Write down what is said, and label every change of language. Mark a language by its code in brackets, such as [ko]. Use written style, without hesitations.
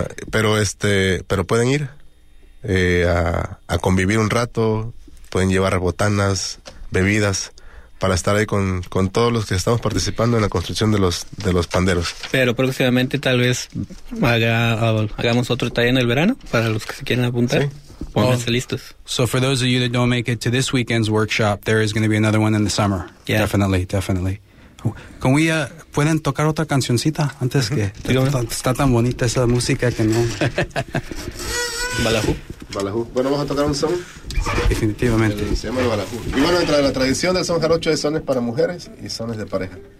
[es] Pero pueden ir a convivir un rato, pueden llevar botanas, bebidas, para estar ahí con todos los que estamos participando en la construcción de los panderos. Pero próximamente tal vez hagamos otro taller en el verano para los que se quieren apuntar. Sí. [en] So for those of you that don't make it to this weekend's workshop, there is going to be another one in the summer. Yeah. Definitely. Can we, [es] pueden tocar otra cancioncita antes que está tan bonita esa música que no. Balahú. Bueno, vamos a tocar un son. Definitivamente. Se llama el balahú. Y bueno, dentro de la tradición del son jarocho hay sones para mujeres y sones de pareja.